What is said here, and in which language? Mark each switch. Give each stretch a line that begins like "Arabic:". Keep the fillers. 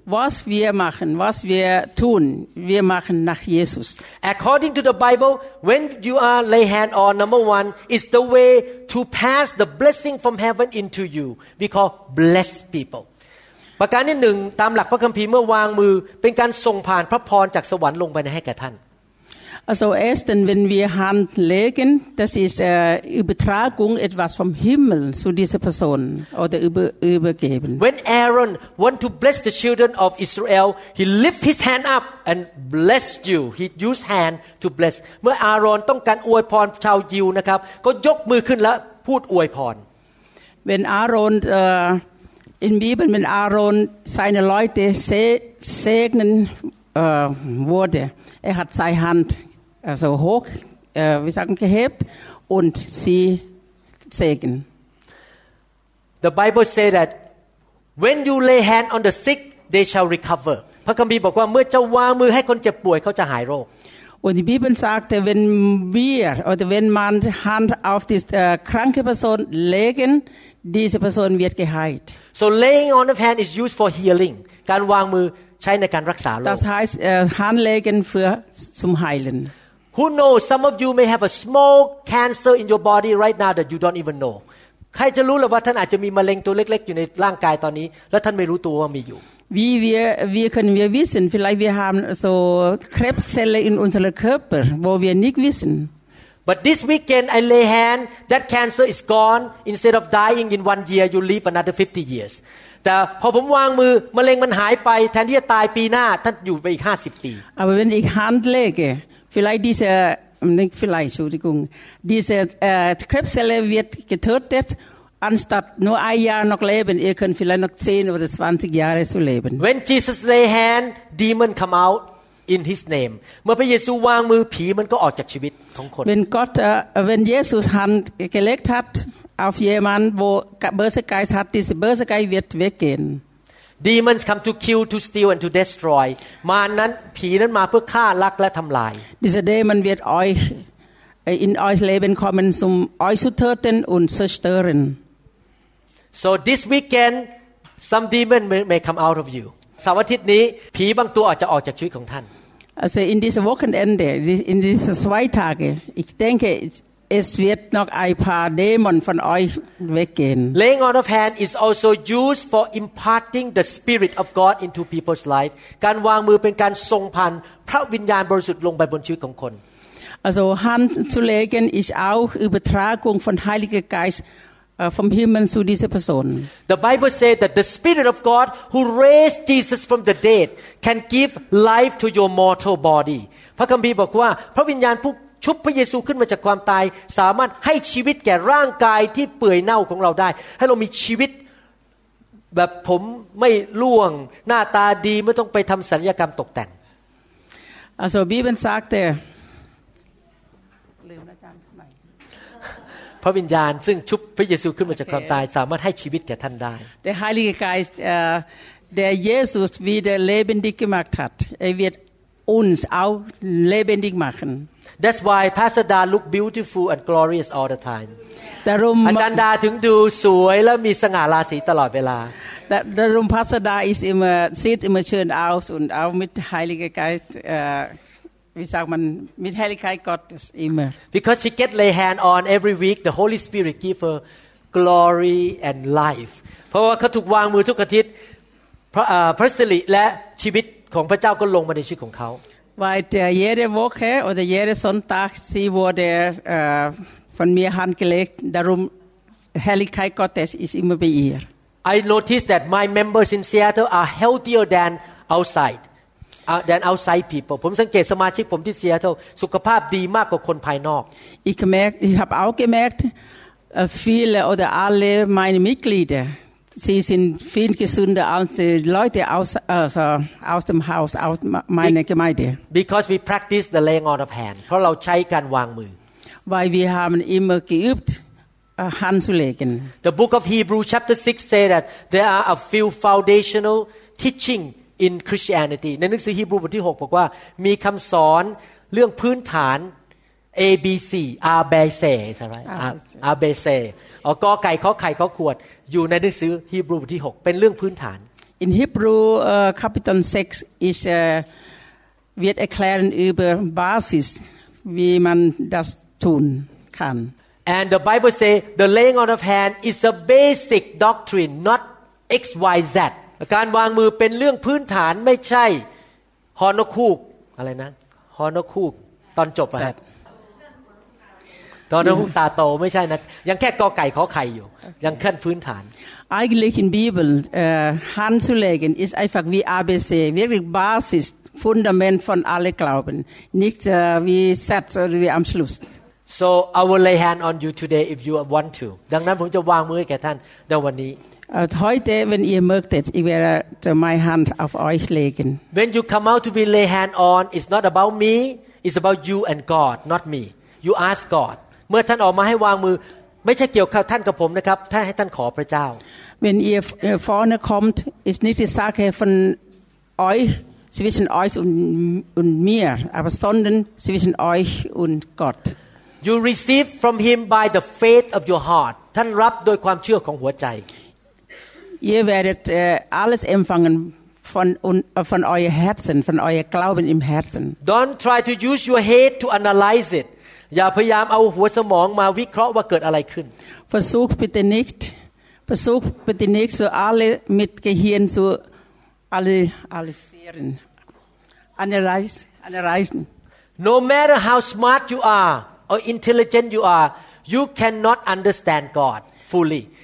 German: Was wir machen, was wir tun, wir machen nach Jesus.
English: According to the Bible when you are lay hand on number one is the way to pass the blessing from heaven into you we call bless people
Thai: ประการที่หนึ่งตามหลักพระคัมภีร์เมื่อวางมือ เป็นการส่งผ่านพระพรจากสวรรค์ลงไปให้แก่ท่าน
German: Also erstens, wenn wir Hand legen, das ist äh, Übertragung etwas vom Himmel zu dieser Person oder über, übergeben.
English: When Aaron want to bless the children of Israel he lift his hand up and blessed you he used hand to bless
Thai: เมื่ออาโรอนต้องการอวยพรชาวยิวนะครับ ก็ยกมือขึ้นแล้วพูดอวยพร
German: Wenn Aaron äh, in Bibel, wenn Aaron seine Leute se segnen äh, wurde, er hat seine Hand also hoch, äh, wie sagen, gehebt und sie segnen.
English: The Bible say that when you lay hand on the sick, they shall recover.
Thai: พระคัมภีร์บอกว่าเมื่อเจ้าวางมือให้คนเจ็บป่วยเขาจะหายโรค
German: Und die Bibel sagte, wenn wir oder wenn man die Hand auf die äh, kranke Person legen, diese Person wird geheilt.
English: so laying on of hand is used for healing
Thai: การวางมือใช้ในการรักษาโรค
German: Das heißt, äh, Handlegen für zum Heilen.
English: Who knows some of you may have a small cancer in your body right now that you don't even know
Thai: ใครจะรู้หรือว่าท่านอาจจะมีมะเร็งตัวเล็กๆ อยู่ในร่างกายตอนนี้ และท่านไม่รู้ตัวว่ามีอยู่
German: Wie wir, wir können wir wissen, vielleicht wir haben so Krebszelle in unserem Körper, wo wir nicht wissen.
English: But this weekend I lay hand that cancer is gone instead of dying in one year you live another 50 years
Thai: แต่พอผมวางมือมะเร็งมันหายไปแทนที่จะตายปีหน้าท่านอยู่ไปอีก 50 ปี
German: Aber wenn ich Hand lege, vielleicht diese, nicht vielleicht, Entschuldigung, diese äh, Krebszelle wird getötet, anstatt nur ein Jahr noch leben, ihr könnt vielleicht noch 10 oder 20 Jahre zu leben.
English: When Jesus lay hand demon come out in his name
Thai: เมื่อพระเยซูวางมือผีมันก็ออกจากชีวิตของคน
German: Wenn Gott, äh, wenn Jesus Hand gelegt hat auf jemanden, wo Ge- böse Geist hat, dieser böse Geist wird weggehen.
English: demons come to kill to steal and to destroy
Thai: มารนั้นผีนั้นมาเพื่อฆ่าลักและทำลาย
German: Dieser Dämon wird euch äh, in euer Leben kommen, um euch zu töten und zerstören.
English: so this weekend some demon may- may come out of you
Thai: เสาร์อาทิตย์นี้ผีบางตัวอาจจะออกจากชีวิตของท่าน
German: Also in diesem Wochenende, in diesen zwei Tagen, ich denke, es wird noch ein paar Dämonen von euch weggehen.
English: Laying on of hand is also used for imparting the spirit of God into people's life
Thai: การวางมือเป็นการทรงพันพระวิญญาณบริสุทธิ์ลงไปบนชีวิตของคน
German: Also Hand zu legen ist auch Übertragung von Heiliger Geist äh, vom Himmel zu dieser Person.
English: The Bible says that the Spirit of God who raised Jesus from the dead can give life to your mortal body
Thai: พระคัมภีร์บอกว่า พระวิญญาณผู้ชุบพระเยซูขึ้นมาจากความตาย สามารถให้ชีวิตแก่ร่างกายที่เปื่อยเน่าของเราได้ ให้เรามีชีวิตแบบผมไม่ร่วง หน้าตาดีไม่ต้องไปทำศัลยกรรมตกแต่ง
German: Also Bibel sagte,
Thai: พระวิญญาณซึ่งชุบพระเยซูขึ้นมาจากความตายสามารถให้ชีวิตแก่ท่านได้
German: der Heilige Geist, äh, der Jesus wieder lebendig gemacht hat, er wird uns auch lebendig machen.
English: That's why Pastor Da look beautiful and glorious all the time
German: Darum,
Thai: อาจารย์ดาถึงดูสวยและมีสง่าราศีตลอดเวลา
German: Da- Darum Passada ist immer, sieht immer schön aus und auch mit Heiliger Geist, äh, wie sagt man, mit Heiligkeit Gottes immer.
English: because she get lay hand on every week the Holy Spirit give her glory and life
Thai: เพราะว่าเขาถูกวางมือทุกอาทิตย์พระเอ่อพระสิริและชีวิตของพระเจ้าก็ลงมาในชีวิตของเขา
German: Weil äh, jede Woche oder jeden Sonntag, sie wurde äh, von mir handgelegt, darum Heiligkeit Gottes ist immer bei ihr.
English: I noticed that my members in Seattle are healthier than outside uh, than outside people
Thai: ผมสังเกตสมาชิกผมที่เซียเทลสุขภาพดีมากกว่าคนภายนอก
German: Ich, gemerkt- ich habe auch gemerkt, äh, viele oder alle meine Mitglieder, sie sind viel gesünder als die Leute aus, also aus dem Haus, aus me- meiner Gemeinde.
English: because we practice the laying on of hand
Thai: เพราะเราใช้การวางมือ
German: weil wir haben immer geübt, äh, Hand zu legen.
English: The book of Hebrew chapter 6 say that there are a few foundational teaching in Christianity
Thai: ในหนังสือฮีบรูบทที่ 6 บอกว่า มีคำสอนเรื่องพื้นฐาน A B C A B C ใช่ไหม A B C อ๋อกอไก่ข้อไข่ข้อขวด อยู่ในหนังสือฮีบรูบทที่ 6 เป็นเรื่องพื้นฐาน
German: In Hebräer äh, Kapitel 6 ist, äh, wird erklären über Basis, wie man das tun kann.
English: And the Bible say the laying on of hand is a basic doctrine, not X Y Z
Thai: การวางมือเป็นเรื่องพื้นฐานไม่ใช่ฮอนกคูกอะไรนะฮอนกคูกตอนจบอะฮะ
English: Z
Thai: ตอนนกฮูกตาโตไม่ใช่นะ ยังแค่กอไก่ขอไข่อยู่ ยังขั้นพื้นฐาน
German: Eigentlich in Bibel äh, Hand zu legen ist einfach wie ABC, wirklich Basis, Fundament von alle Glauben, nicht äh, wie Satz oder wie am Schluss.
English: so I will lay hand on you today if you want to
Thai: ดังนั้นผมจะวางมือให้แก่ท่านในวันนี้
German: Äh, heute, wenn ihr möchtet, ich werde äh, meine Hand auf euch legen.
English: When you come out to be lay hand on, it's not about me, it's about you and God, not me. You ask God.
Thai: เมื่อท่านออกมาให้วางมือ ไม่ใช่เกี่ยวกับท่านกับผมนะครับถ้าให้ท่านขอพระเจ้า
German: Wenn ihr äh, vorne kommt, ist nicht die Sache von euch, zwischen euch und, und mir, aber sondern zwischen euch und Gott.
English: you receive from him by the faith of your heart
Thai: ท่านรับโดยความเชื่อของหัวใจ
German: Ihr werdet äh, alles empfangen von, un, äh, von euer Herzen, von euer Glauben im Herzen.
English: Don't try to use your head to analyze it
Thai: อย่าพยายามเอาหัวสมองมาวิเคราะห์ว่าเกิดอะไรขึ้น
German: Versucht bitte nicht, versucht bitte nicht, so alle mit Gehirn zu alle, analysieren, analyse, analysen.
English: No matter how smart you are or intelligent you are, you cannot understand God fully.